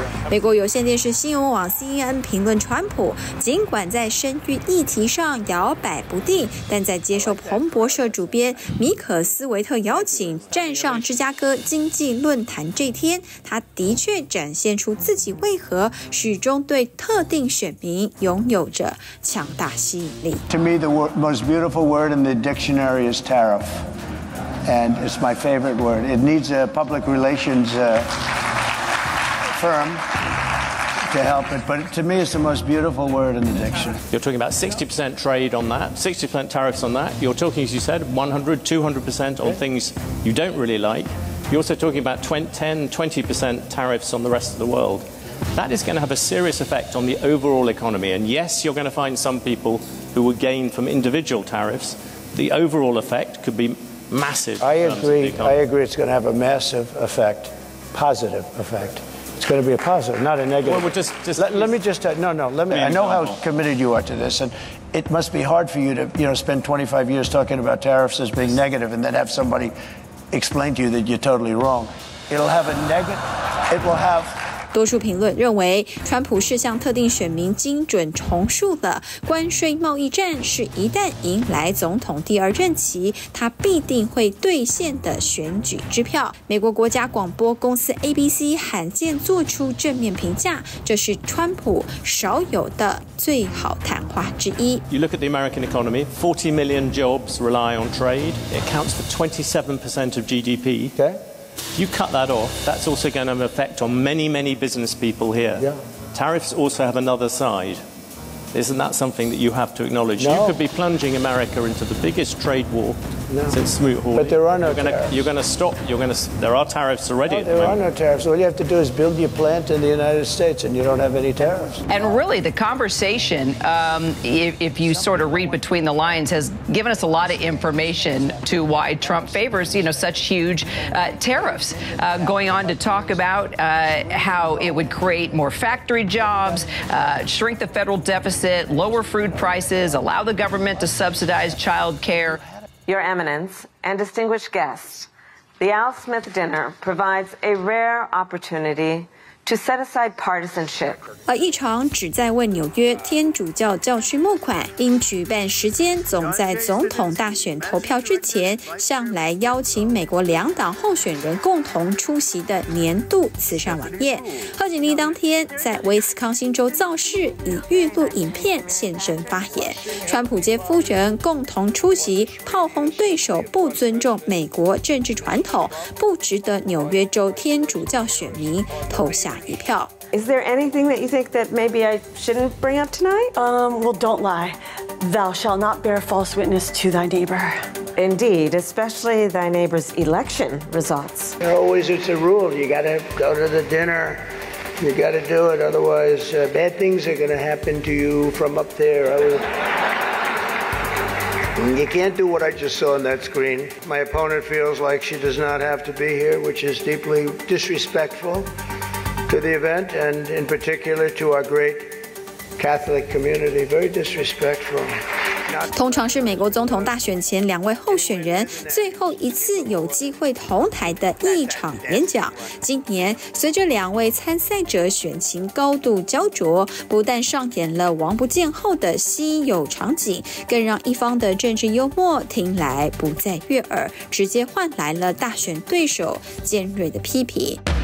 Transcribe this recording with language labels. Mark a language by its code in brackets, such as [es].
[zh] 美国有线电视新闻网 CNN 评论川普，尽管在生育议题上摇摆不定，但在接受彭博社主编米可斯维特邀请站上芝加哥经济论坛这天，他的确展现出自己为何始终对特定选民拥有着强大吸引力。 [en] To me, the most beautiful word in the dictionary is tariff, and it's my favorite word. It needs a public relations firm to help it, but to me it's the most beautiful word in the dictionary. You're talking about 60% trade on that, 60% tariffs on that. You're talking, as you said, 100-200% on things you don't really like. You're also talking about 10-20% tariffs on the rest of the world. That is going to have a serious effect on the overall economy. And yes, you're going to find some people who will gain from individual tariffs. The overall effect could be massive. I agree it's going to have a massive effect, positive effect. It's going to be a positive, not a negative. Well, just let me just tell, no, no, let me, I know how committed you are to this, and it must be hard for you to, you know, spend 25 years talking about tariffs as being negative and then have somebody explain to you that you're totally wrong. It'll have a negative, it will have... [zh] 多数评论认为，川普是向特定选民精准重述的关税贸易战是一旦迎来总统第二任期，他必定会兑现的选举支票。美国国家广播公司 ABC 罕见做出正面评价，这是川普少有的最好谈话之一。 [en] You look at the American economy, 40 million jobs rely on trade. It accounts for 27% of GDP. Okay. You cut that off, that's also going to have an effect on many, many business people here. Yeah. Tariffs also have another side. Isn't that something that you have to acknowledge? No. You could be plunging America into the biggest trade war since Smoot-Hawley. But there are no tariffs. You're going to stop. There are tariffs already. No, there are no tariffs. All you have to do is build your plant in the United States and you don't have any tariffs. And really, the conversation, if you sort of read between the lines, has given us a lot of information to why Trump favors, you know, such huge tariffs. Going on to talk about how it would create more factory jobs, shrink the federal deficit, lower food prices, allow the government to subsidize child care. Your Eminence and distinguished guests, the Al Smith Dinner provides a rare opportunity to set aside partisanship. [zh] 而一场旨在为纽约天主教教区募款，因举办时间总在总统大选投票之前，向来邀请美国两党候选人共同出席的年度慈善晚宴，贺锦丽当天在威斯康星州造势，以预录影片现身发言。川普接夫人共同出席，炮轰对手不尊重美国政治传统，不值得纽约州天主教选民投下一票。 [en] Is there anything that you think that maybe I shouldn't bring up tonight? Well, don't lie. Thou shalt not bear false witness to thy neighbor. Indeed, especially thy neighbor's election results. Always it's a rule. You gotta go to the dinner. You gotta do it. Otherwise, bad things are gonna happen to you from up there. You can't do what I just saw on that screen. My opponent feels like she does not have to be here, which is deeply disrespectful. To the event and in particular to our great Catholic community, very disrespectful. [zh] 通常是美国总统大选前两位候选人最后一次有机会同台的一场演讲。今年随着两位参赛者选情高度焦灼，不但上演了王不见后的稀有场景，更让一方的政治幽默听来不再悦耳，直接换来了大选对手尖锐的批评。